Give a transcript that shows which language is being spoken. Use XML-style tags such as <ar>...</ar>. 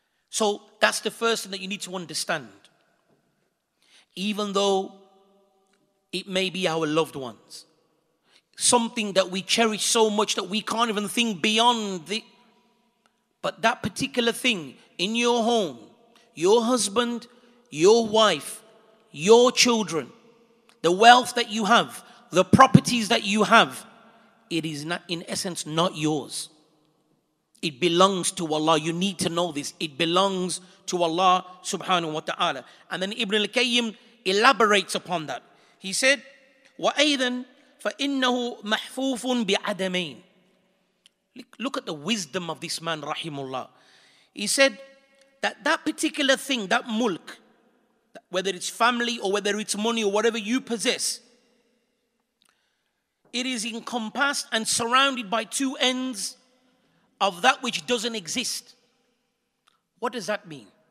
<en>So that's the first thing that you need to understand. Even though it may be our loved ones, something that we cherish so much that we can't even think beyond it, but that particular thing in your home, your husband, your wife, your children, the wealth that you have, the properties that you have, it is not, in essence, not yours. It belongs to Allah. You need to know this. It belongs to Allah subhanahu wa ta'ala. And then Ibn al-Qayyim elaborates upon that. He said,</en> <ar>وَأَيْذًا فَإِنَّهُ مَحْفُوفٌ بِعَدَمَيْنِ.</ar> <en>Look at the wisdom of this man, rahimullah. He said that particular thing, that mulk, whether it's family or whether it's money or whatever you possess, it is encompassed and surrounded by two ends of that which doesn't exist. What does that mean?</en>